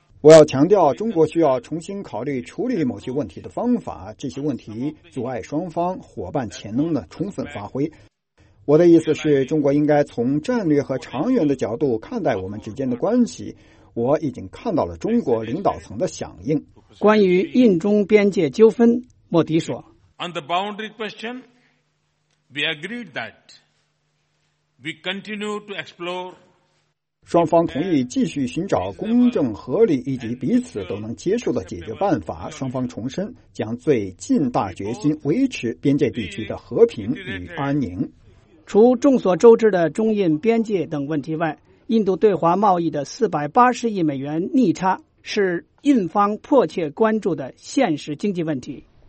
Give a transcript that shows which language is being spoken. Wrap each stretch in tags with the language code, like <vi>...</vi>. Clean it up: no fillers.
<zh>我要强调中国需要重新考虑处理某些问题的方法，这些问题阻碍双方伙伴潜能的充分发挥。我的意思是，中国应该从战略和长远的角度看待我们之间的关系。我已经看到了中国领导层的响应。关于印中边界纠纷，莫迪说，</zh> <en>On the boundary question, we agreed that we continue to explore.</en> <zh>双方同意继续寻找公正、合理以及彼此都能接受的解决办法。双方重申将最尽大决心维持边界地区的和平与安宁。除众所周知的中印边界等问题外，印度对华贸易的480亿美元逆差是印方迫切关注的现实经济问题。</zh>